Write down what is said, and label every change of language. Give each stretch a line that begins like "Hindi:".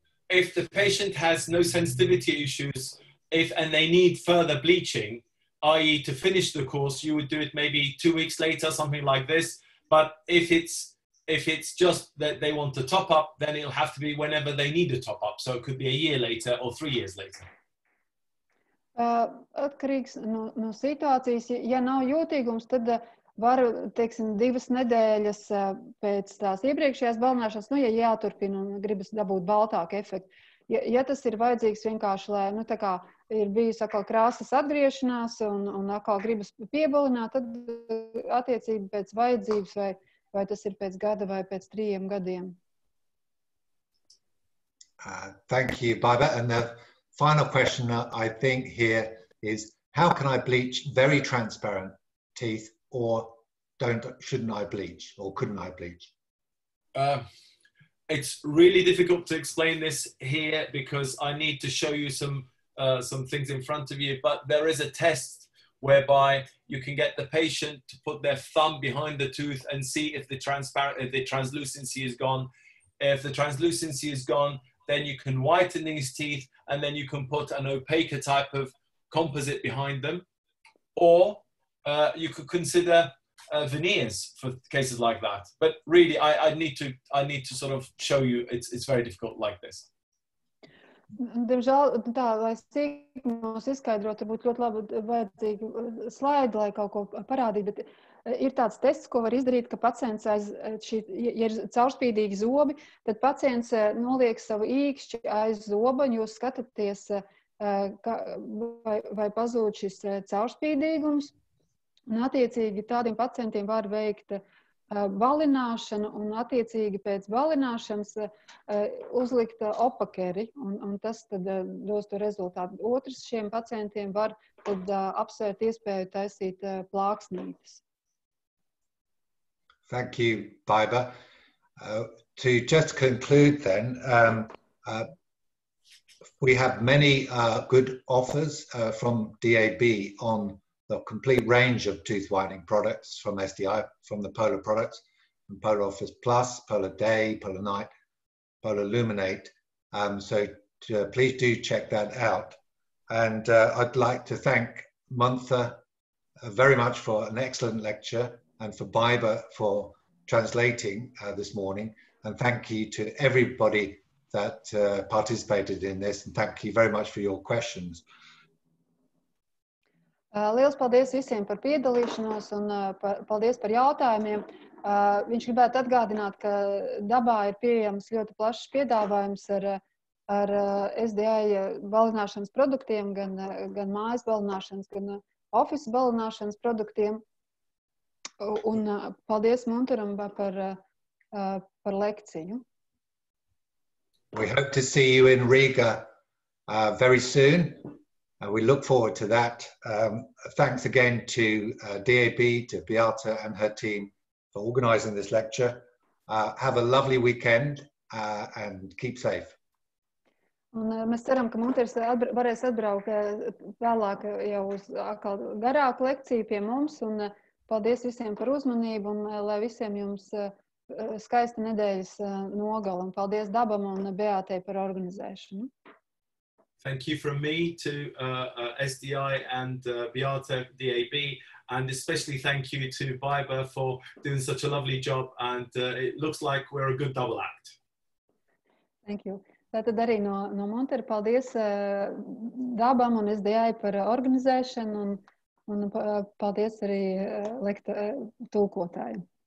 English: If the patient has no sensitivity issues, and they need further bleaching, i.e. to finish the course, you would do it maybe 2 weeks later, something like this, but if it's just that they want to top up, then it'll have to be whenever they need a top up. So it could be a year later or 3 years later.
Latvian: Atkarīgs no situācijas, ja nav jūtīgums, tad var, teiksim, divas nedēļas pēc tās iepriekšējās balināšanas, ja jāturpina un gribas dabūt baltāku efektu. Ja tas ir vajadzīgs vienkārši, lai, tā kā ir bijusi atkal krāsas atgriešanās un atkal gribas piebalināt, tad attiecība pēc vajadzības vai tas ir pēc gada vai pēc trījiem gadiem.
English: Thank you, Baiba. And the final question I think here is, how can I bleach very transparent teeth, or shouldn't I bleach, or couldn't I bleach? It's really difficult to explain this here because I need to show you some things in front of you, but there is a test whereby you can get the patient to put their thumb behind the tooth and see if the translucency is gone. If the translucency is gone, then you can whiten these teeth and then you can put an opaque type of composite behind them. Or you could consider veneers for cases like that. But really, I need to sort of show you, it's very difficult like this.
Latvian: Diemžēl, tā, lai sīkumos izskaidrot, būtu ļoti labi vajadzīgi slaidi, lai kaut ko parādītu, bet ir tāds tests, ko var izdarīt, ka pacients aiz šī, ja ir caurspīdīgi zobi, tad pacients noliek savu īkšķi aiz zoba, un jūs skatāties, vai pazūd šis caurspīdīgums, un attiecīgi tādiem pacientiem var veikt balināšanu un attiecīgi pēc balināšanas uzlikt opakeri un tas tad dos to rezultātu. Otrs šiem pacientiem var tad apsvērt iespēju taisīt plāksnītes.
English: Thank you, Baiba. To just conclude then, we have many good offers from DAB on the complete range of tooth whitening products from SDI, from the Pola products, from Pola Office Plus, Pola Day, Pola Night, Pola Luminate. So please do check that out. And I'd like to thank Munther very much for an excellent lecture and for Baiba for translating this morning. And thank you to everybody that participated in this. And thank you very much for your questions.
Latvian: Liels paldies visiem par piedalīšanos un paldies par jautājumiem. Viņš gribētu atgādināt, ka dabā ir pieejams ļoti plašs piedāvājums ar SDI balināšanas produktiem, gan mājas balināšanas, gan ofisa balināšanas produktiem. Un paldies Munturam par lekciju.
English: We hope to see you in Riga very soon. We look forward to that. Thanks again to DAB, to Beata and her team for organizing this lecture. Have a lovely weekend and keep safe.
Latvian: Un mēs ceram, ka Munters varēs atbraukt vēlāk jau uz atkal garāku lekciju pie mums. Un paldies visiem par uzmanību un lai visiem jums skaista nedēļas nogala. Un paldies Dabam un Beātei par organizēšanu.
English: Thank you from me to SDI and Beata DAB. And especially thank you to Baiba for doing such a lovely job. And it looks like we're a good double act. Thank you.
Latvian: Tātad arī no Munthera paldies dabam un SDI par organizēšanu un paldies arī lektu tulkotājiem.